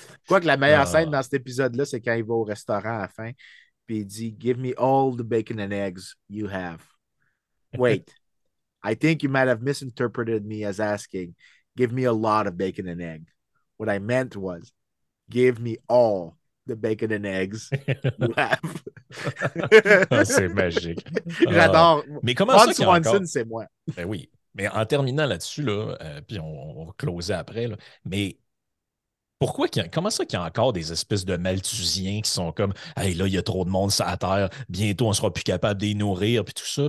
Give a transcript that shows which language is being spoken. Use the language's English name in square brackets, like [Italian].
[French] Quoi que la meilleure scène dans cet épisode-là, c'est quand il va au restaurant à la fin, puis il dit, [English] Give me all the bacon and eggs you have. Wait, I think you might have misinterpreted me as asking, Give me a lot of bacon and egg. What I meant was, Give me all the bacon and eggs you have. [French] Ah, c'est magique. J'adore. Mais comment Ron ça qu'il y a Swanson, encore? c'est moi. Ben oui, mais en terminant là-dessus, là, puis on va closer après, là, mais. Pourquoi qu'il y a, comment ça qu'il y a encore des espèces de Malthusiens qui sont comme, hey, là, il y a trop de monde sur la Terre, bientôt, on ne sera plus capable de les nourrir, puis tout ça.